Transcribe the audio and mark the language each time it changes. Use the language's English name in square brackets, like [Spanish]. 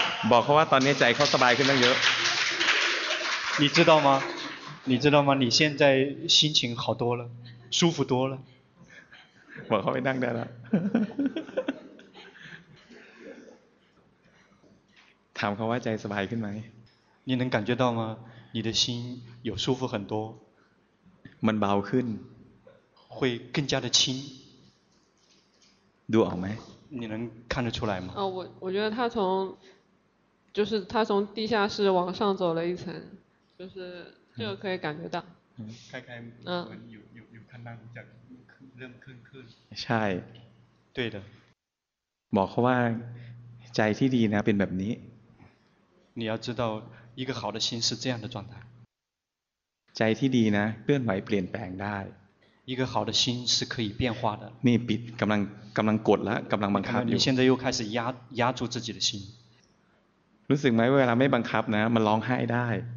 [Thai] บอกเขาว่าตอนนี้ใจเขาสบายขึ้นตั้งเยอะ [Chinese] 你知道吗你知道吗你现在心情好多了舒服多了 [Thai] บอกเขาไปนั่งได้แล้ว ถามเขาว่าใจสบายขึ้นไหม [Chinese] 你能感觉到吗你的心有舒服很多 [Thai] มันเบาขึ้น [Chinese] 会更加的轻 [Thai] ดูออกไหม [Chinese] 你能看得出来吗我觉得他从就是他从地下室往上走了一层，就是这个可以感觉到。 [Thai] ใช่ [Chinese] 对的 [Thai] บอกเขาว่าใจที่ดีนะเป็นแบบนี้ [Chinese] 你要知道一个好的心是这样的状态 [Thai] ใจที่ดีนะเคลื่อนไหวเปลี่ยนแปลงได้ [Chinese] 一个好的心是可以变化的 [Thai] นี่ปิดกำลังกดแล้วกำลังบังคับอยู่ [Chinese] 你现在又开始压住自己的心 [Thai] รู้สึกไหมเวลาไม่บังคับนะมันร้องไห้ได้